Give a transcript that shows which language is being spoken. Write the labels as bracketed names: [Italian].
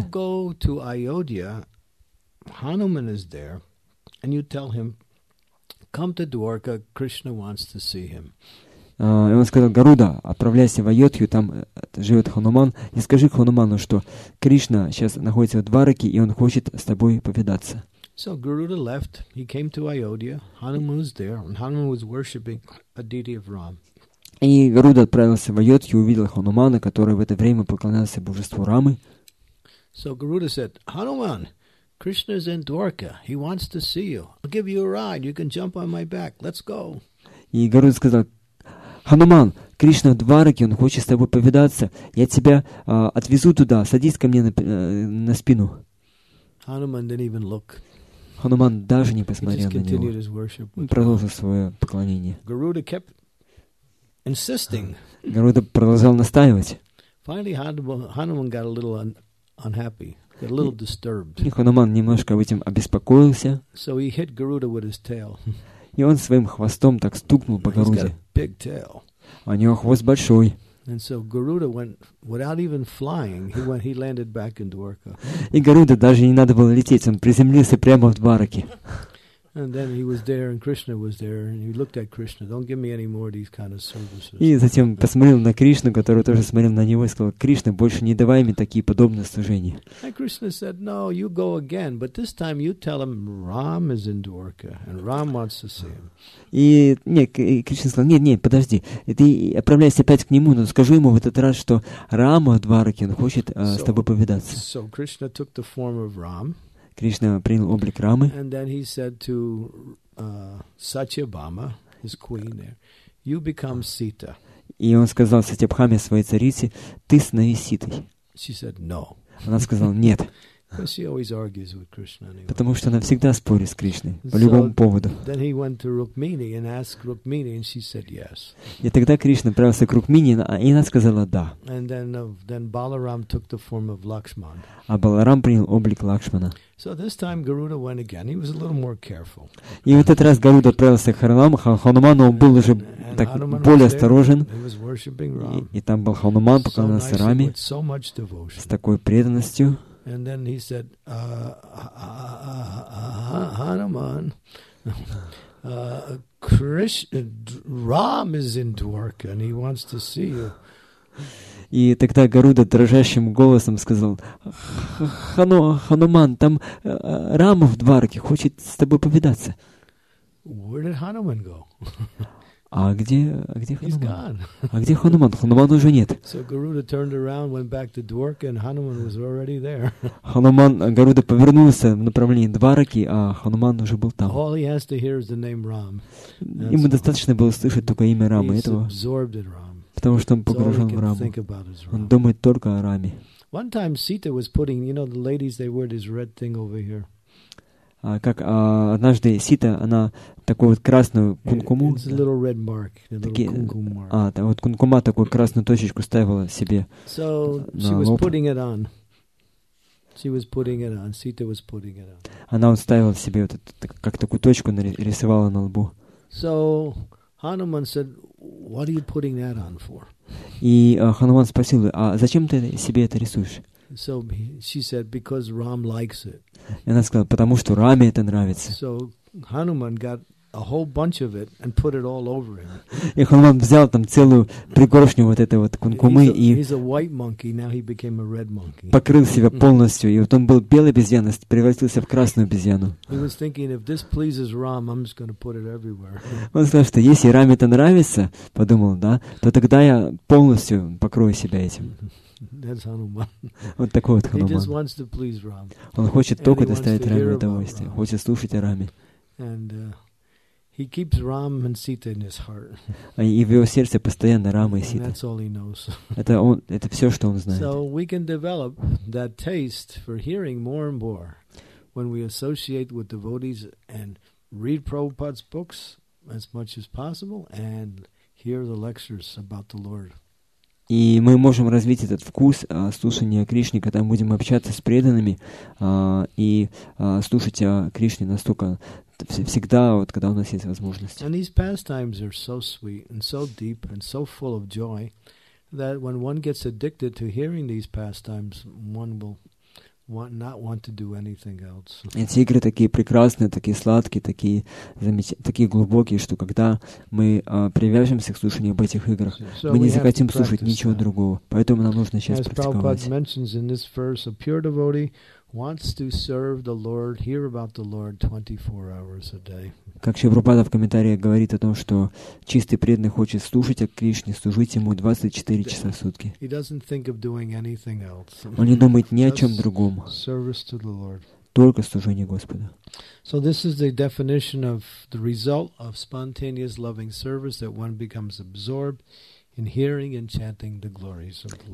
[English] You go to Ayodhya, Hanuman is there, and you tell him, come to Dwarka, Krishna wants to see him. [Russian] И он сказал: Гаруда, отправляйся в Айодхью, там живет Хануман, и скажи Хануману, что Кришна сейчас находится в Двараке, и он хочет с тобой повидаться. [English] So Garuda left, he came to Ayodhya, Hanuman was there, and Hanuman was worshipping a deity of Ram. [Russian] И Гаруда отправился в Айодхью, увидел Ханумана, который в это время поклонялся божеству Рамы. [English] So Garuda said, Hanuman, Krishna is in Dwarka. He wants to see you. I'll give you a ride. You can jump on my back. Let's go. [Russian] И Гаруда сказал: Хануман, Кришна в Двараке, он хочет с тобой повидаться. Я тебя отвезу туда. Садись ко мне на спину. [English] Hanuman didn't even look. [Russian] Хануман даже не посмотрел на него. Он продолжил свое поклонение. [English] Garuda kept insisting. [Russian] Гаруда продолжал настаивать. [English] Finally, Hanuman got a little unhappy. A little disturbed. [Russian] И Хануман немножко об этом обеспокоился. [English] So he hit Garuda with his tail. [Russian] И он своим хвостом так стукнул по Гаруде. [English] He's got a big tail. [Russian] У него хвост большой. [English] And so Garuda went without even flying. He landed back in Dwarka. [Russian] И Гаруда даже не надо было лететь, он приземлился прямо в Двараке. [English] And then he was there, and Krishna was there, and he looked at Krishna. Don't give me any more of these kind of services. [Russian] И затем посмотрел на Кришну, который тоже смотрел на него, и сказал: Кришна, больше не давай мне такие подобные служения. [English] And Krishna said, No, you go again, but this time you tell him Ram is in Dwarka, and Ram wants to see him. [Russian] И Кришна сказал: Нет, подожди, ты отправляйся опять к нему, но скажи ему в этот раз, что Рама в Двараке, он хочет с тобой повидаться. [English] So Krishna took the form of Ram. [Russian] Кришна принял облик Рамы. [English] And then he said to Satyabhama, his queen there, you become Sita. [Russian] И он сказал Сатьябхаме, своей царице, ты становись Ситой. [English] She said no. [Russian] Она сказала нет. [English] Because she always argues with Krishna anyway. [Russian] Потому что она всегда спорит с Кришной по любому поводу. [English] Then he went to Rukmini and asked Rukmini, and she said yes. [Russian] И тогда Кришна отправился к Рукмини, и она сказала да. [English] And then Balaram took the form of Lakshman. [Russian] А Баларам принял облик Лакшмана. [English] So this time Garuda went again. He was a little more careful. [Russian] И в этот раз Гаруда отправился к Хануману, он был уже так более осторожен. И там был Хануман, поклонялся Раме с такой преданностью. [English] And then he said, Hanuman, Ram is in Dwarka, and he wants to see you. [Russian] И тогда Гаруда дрожащим голосом сказал: Хануман, там Рама в Дварке хочет с тобой повидаться. [English] Where did Hanuman go? [Russian] А где [English] He's [Russian] Хануман? [English] Gone. [Russian] А где Хануман? Хануман уже нет. [English] So Garuda turned around, went back to Dwarka, and Hanuman was already there. [Russian] Хануман, Гаруда повернулся в направлении Двараки, а Хануман уже был там. [English] All he has to hear is the name Ram. [Russian] Ему достаточно было слышать только имя Рамы. [English] He's absorbed in Ram. [Russian] Потому что он погружен в Раму. Он думает только о Раме. [English] One time Sita was putting, you know, the ladies they wear this red thing over here. [Russian] Однажды Сита, она такую вот красную кункуму, вот кункума такую красную точечку ставила себе. [English] So she was putting it on. She was putting it on. Sita was putting it on. [Russian] Она вот ставила себе вот это, как такую точку нарисовала на лбу. [English] So Hanuman said, "What are you putting that on for?" [Russian] И Хануман спросил: "А зачем ты себе это рисуешь?" [English] So she said, because Ram likes it. [Russian] Она сказала, потому что Раме это нравится. [English] So Hanuman got a whole bunch of it and put it all over him. [Russian] И Хануман взял там целую пригоршню вот этой вот кункумы и [English] he's a white monkey, now he became a red monkey. [Russian] Покрыл себя полностью, и вот он был белой обезьяной, превратился в красную обезьяну. [English] He was thinking, if this pleases Ram, I'm just going to put it everywhere. [Russian] Он сказал, что если Раме это нравится, подумал, да, то тогда я полностью покрою себя этим. [English] That's Hanuman. [Russian] Вот такой вот Хануман. [English] He just wants to please Ram. [Russian] Он хочет только доставить Раме удовольствие, хочет слушать о Раме. [English] And he keeps Ram and Sita in his heart. [Russian] И в его сердце постоянно Рама и Сита. [English] That's all he knows. [Russian] Это все, что он знает. [English] So we can develop that taste for hearing more and more when we associate with devotees and read Prabhupada's books as much as possible and hear the lectures about the Lord. [Russian] И мы можем развить этот вкус слушания Кришны, когда мы будем общаться с преданными и слушать Кришне настолько всегда, вот когда у нас есть возможность. [English] And these pastimes are so sweet and so deep and so full of joy that when one gets addicted to hearing these pastimes, one will not want to do anything else. [Russian] Эти игры такие прекрасные, такие сладкие, такие такие глубокие, что когда мы привяжемся к слушанию об этих играх, мы не захотим слушать ничего другого. Поэтому нам нужно сейчас практиковать. [English] As Prabhupada mentions in this verse, a pure devotee wants to serve the Lord, hear about the Lord 24 hours a day. [Russian] Как Шри Прабхупада в комментариях говорит о том, что чистый преданный хочет слушать о Кришне, служить ему 24 часа в сутки. [English] He doesn't think of doing anything else. [Russian] Он не думает ни о чем другом. [English] Service to the Lord. [Russian] Только служение Господу. [English] So this is the definition of the result of spontaneous loving service that one becomes absorbed in hearing and chanting the glories of the Lord.